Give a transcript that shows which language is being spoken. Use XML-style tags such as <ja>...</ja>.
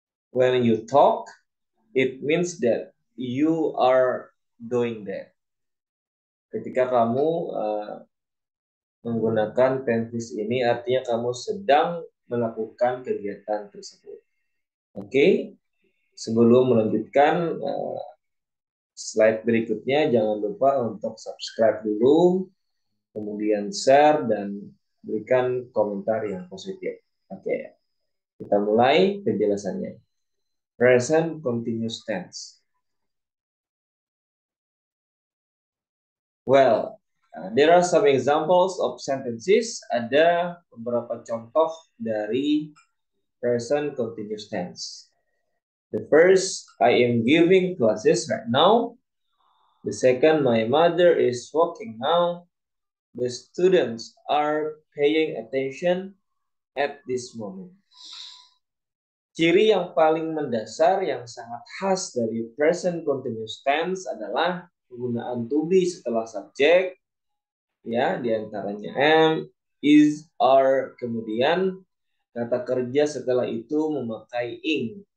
<en>When you talk, it means that you are doing that.</en> <id>Ketika kamu menggunakan tenses ini, artinya kamu sedang melakukan kegiatan tersebut. Okay? Sebelum melanjutkan slide berikutnya, jangan lupa untuk subscribe dulu, kemudian share, dan berikan komentar yang positif. Okay. Kita mulai penjelasannya.</id> <en>Present continuous tense. Well, there are some examples of sentences.</en> <id>Ada beberapa contoh dari present continuous tense.</id> <en>The first, I am giving classes right now. The second, my mother is walking now. The students are paying attention at this moment.</en> <id>Ciri yang paling mendasar yang sangat khas dari present continuous tense adalah penggunaan to be setelah subjek, ya, diantaranya am, is, are, kemudian kata kerja setelah itu memakai ing.</id>